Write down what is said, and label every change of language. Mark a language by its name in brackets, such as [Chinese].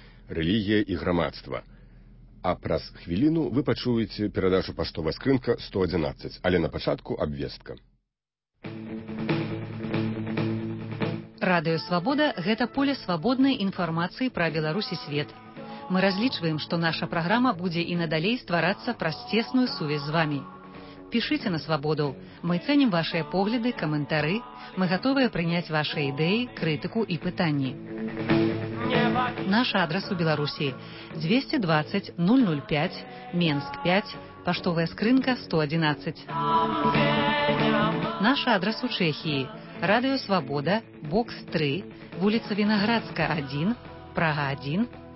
[Ukrainian] Релігія і громадство». А праз хвилину ви почуєте передачу «Поштова скринка 111». Але на початку обвістка. Радіо Свобода – [Belarusian] гэта [Ukrainian] поле свободної інформації про Беларусь і світ. [Belarusian] Мы разлічваем, што наша праграма будзе і надалей стварацца праз цесную сувязь з вамі. Пішыце на свабоду. Мы цэнім вашыя погляды, каментары. Мы гатовыя прыняць вашыя ідэі, крытыку і пытанні. Наш адрас у Беларусі. 220 005 Менск 5, паштовая скрынка 111. Наш адрас у Чэхіі. Радыё Свабода, бокс 3, вуліца Вінаградска 1, Прага 1.